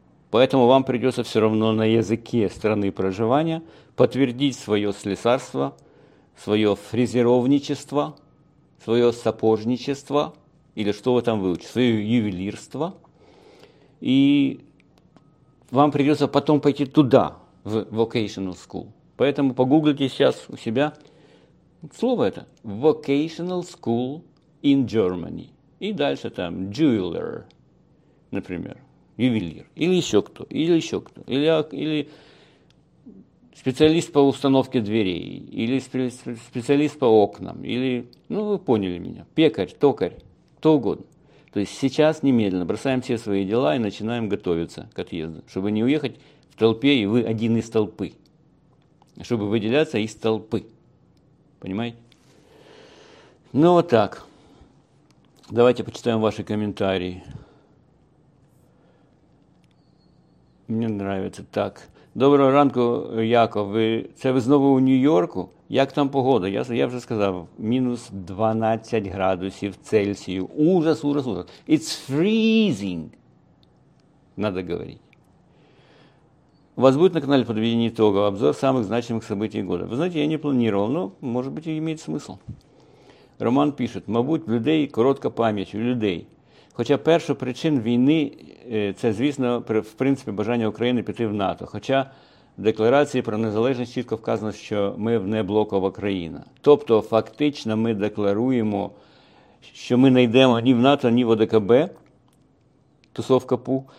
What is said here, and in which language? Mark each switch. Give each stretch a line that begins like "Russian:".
Russian: Поэтому вам придется все равно на языке страны проживания подтвердить свое слесарство, свое фрезеровничество, свое сапожничество, или что вы там выучите, свое ювелирство. И вам придется потом пойти туда, в vocational school. Поэтому погуглите сейчас у себя слово это.
English: Vocational school in Germany.
Russian: И дальше там
English: jeweler,
Russian: например. ювелир, или еще кто, или еще кто, или специалист по установке дверей, или специалист по окнам, или, ну, вы поняли меня, пекарь, токарь, кто угодно. То есть сейчас немедленно бросаем все свои дела и начинаем готовиться к отъезду, чтобы не уехать в толпе, и вы один из толпы, чтобы выделяться из толпы. Понимаете? Ну, вот так. Давайте почитаем ваши комментарии. Мне нравится. Так.
Ukrainian: Доброго ранку,
Russian: Яков.
Ukrainian: Це ви знову у Нью-Йорку? Як там погода? Я вже сказав, мінус 12 градусів Цельсію.
Russian: Ужас, ужас, ужас.
English: It's freezing.
Russian: Надо говорить. У вас будет на канале подведение итогов, обзор самых значимых событий года. Вы знаете, я не планировал, но, может быть, и имеет смысл.
Ukrainian: Роман пишет, мабуть, у людей коротка память, у людей. Хоча перша причин війни – це, звісно, в принципі, бажання України піти в НАТО. Хоча в декларації про незалежність чітко вказано, що ми внеблокова країна. Тобто, фактично, ми декларуємо, що ми не йдемо ні в НАТО, ні в ОДКБ, тусовка ПУ.